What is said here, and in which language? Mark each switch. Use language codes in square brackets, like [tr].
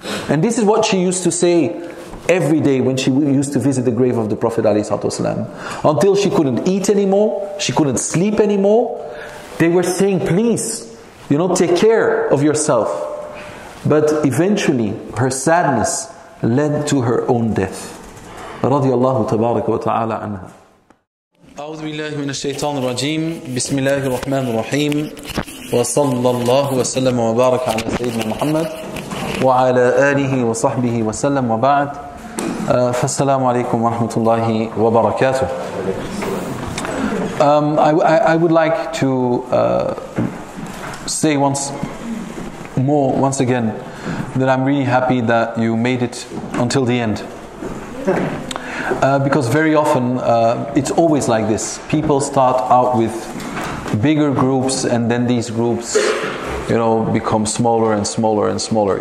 [en] And this is what she used to say every day when she used to visit the grave of the Prophet ﷺ. Until she couldn't eat anymore, she couldn't sleep anymore. They were saying, "Please, you know, take care of yourself." But eventually, her sadness led to her own death. Radiallahu tabarak wa ta'ala anha. [ar] أعوذ بالله من الشيطان الرجيم بسم الله الرحمن الرحيم وصلى الله وسلم وبارك على سيدنا محمد وعلى آله وصحبه وسلم وبعد فالسلام عليكم ورحمة الله وبركاته. [en] I would like to say once again that I'm really happy that you made it until the end. Because very often, it's always like this. People start out with bigger groups and then these groups, you know, become smaller and smaller and smaller.